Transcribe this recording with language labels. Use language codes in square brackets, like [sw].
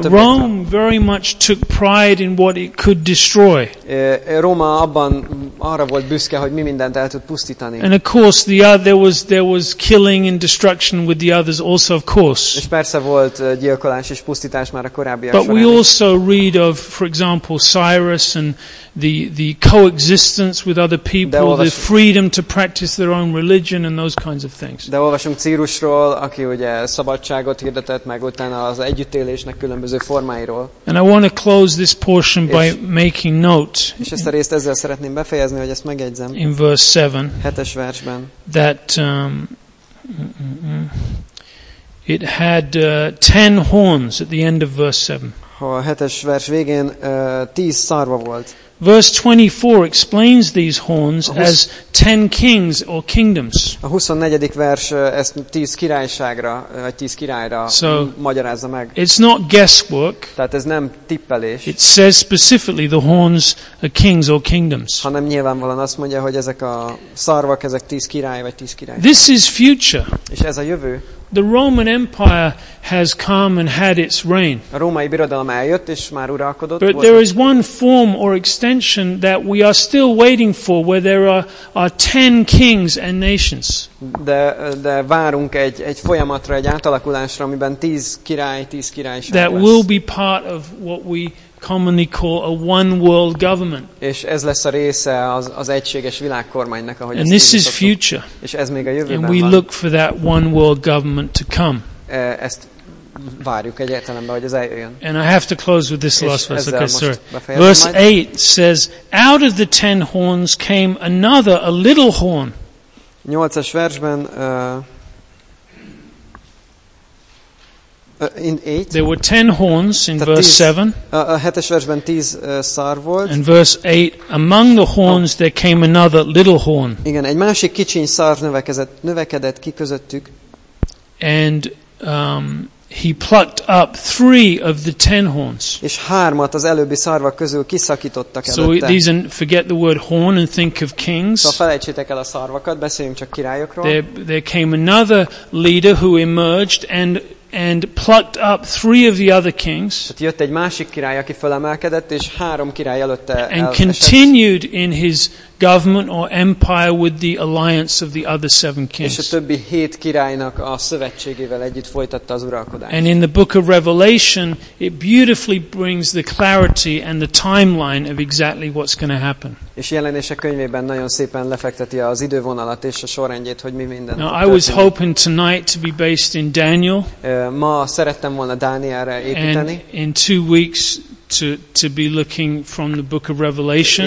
[en] Rome very much took pride in what it could destroy. [hu] Róma abban arra volt büszke, hogy mi mindent el tud pusztítani. [en] And of course the other, there was killing and destruction with the others also, of course. [hu] És persze volt gyilkolás és pusztítás már a korábbiak. [en] But we also read of, for example, Cyrus and the coexistence with other people, the freedom to practice their own religion and those kinds of things. [hu] De olvasunk Círusról, aki ugye szabadságot hirdetett, meg utána az együttélésnek különböző formáiról. [en] And I want to close this portion by making note. [hu] És ezt a részt ezzel szeretném befejezni, hogy ezt megjegyzem. [en] In verse 7. [hu] Hetes versben. [en] That it had 10 horns at the end of verse 7. [hu] A hetes vers végén 10 szarva volt. [en] Verse 24 explains these horns as 10 kings or kingdoms. [hu] A 24. vers ezt 10 királyságra, vagy 10 királyra [en] so, [hu] magyarázza meg. [en] It's not guesswork. [hu] Tehát ez nem tippelés. [en] It says specifically the horns are kings or kingdoms. [hu] Hanem nyilvánvalóan azt mondja, hogy ezek a szarvak, ezek 10 király vagy 10 király. [en] This is future. [hu] És ez a jövő. [en] The Roman Empire has come and had its reign. [hu] A római birodalom eljött és már uralkodott. [en] But there is one form or extension that we are still waiting for, where there are 10 kings and nations. [hu] De várunk egy folyamatra, egy átalakulásra, amiben 10 király, 10 királyság. [en] That will be part of what we commonly call a one world government. [hu] És ez lesz a része az egységes világkormánynak, ahogy [en] and this is future. [hu] És ez még a jövőben. [en] And we look for that one world government to come. [hu] Ezt várjuk egyetlenben, hogy ez eljön. [en] And I have to close with this last verse. Okay, sorry. Verse 8 says, out of the 10 horns came another, a little horn. [hu] 8-as versben [en] in 8. There were 10 horns in verse 7. [hu] A 7-es versben 10 szár volt. [en] In verse 8, among the horns there came another little horn. [hu] Igen, egy másik kicsiny szár növekedett ki közöttük. [en] And he plucked up three of the ten horns. [hu] És hármat az előbbi szarvak közül kiszakítottak előtte. [en] So these, forget the word horn and think of kings. [hu] Szóval felejtsétek el a szarvakat, beszéljünk csak királyokról. [en] There came another leader who emerged and plucked up three of the other kings. [hu] Tehát jött egy másik király, aki fölemelkedett, és három király előtte elesett. [en] And continued in his government or empire with the alliance of the other seven kings. [hu] És a többi hét királynak a szövetségével együtt folytatta az uralkodást. [en] And in the book of Revelation, it beautifully brings the clarity and the timeline of exactly what's going to happen. [hu] És Jelenések könyvében nagyon szépen lefekteti az idővonalat és a sorrendjét, hogy mi minden. [en] Now, I was hoping tonight to be based in Daniel. [hu] Ma szerettem volna Dánielre építeni. [en] And in 2 weeks to be looking from the book of Revelation.